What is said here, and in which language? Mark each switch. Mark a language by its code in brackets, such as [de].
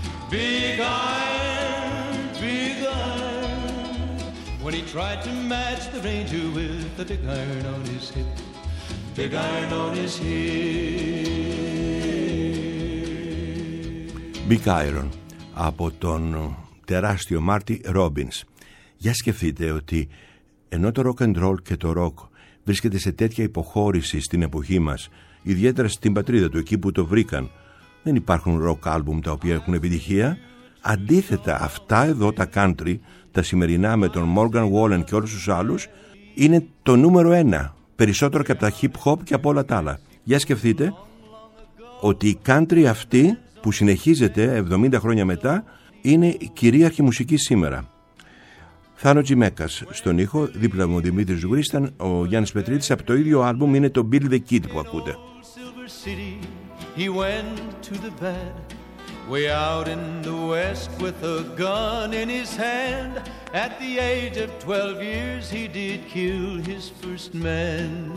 [en] Big iron, big iron. When he tried to match the Ranger with the big iron on his hip. Big iron on his hip. [el] Big iron, από τον τεράστιο Marty Robbins. Για σκεφτείτε ότι ενώ το rock and roll και το rock βρίσκεται σε τέτοια υποχώρηση στην εποχή μας, ιδιαίτερα στην πατρίδα του, εκεί που το βρήκαν, δεν υπάρχουν rock album τα οποία έχουν επιτυχία. Αντίθετα, αυτά εδώ τα country, τα σημερινά με τον Morgan Wallen και όλους τους άλλους, είναι το νούμερο ένα, περισσότερο και από τα hip hop και από όλα τα άλλα. Για σκεφτείτε ότι η country αυτή που συνεχίζεται 70 χρόνια μετά είναι η κυρίαρχη μουσική σήμερα. Θάνο Τζιμέκας στον ήχο, δίπλα μου ο Δημήτρης Γουρίσταν, ο Γιάννης Πετρίτης, από το ίδιο άλμπουμ είναι το Bill the Kid που ακούτε. [en] City, he went to the bed, way out in the west with a gun in his hand. At the age of 12 years he did kill his first man.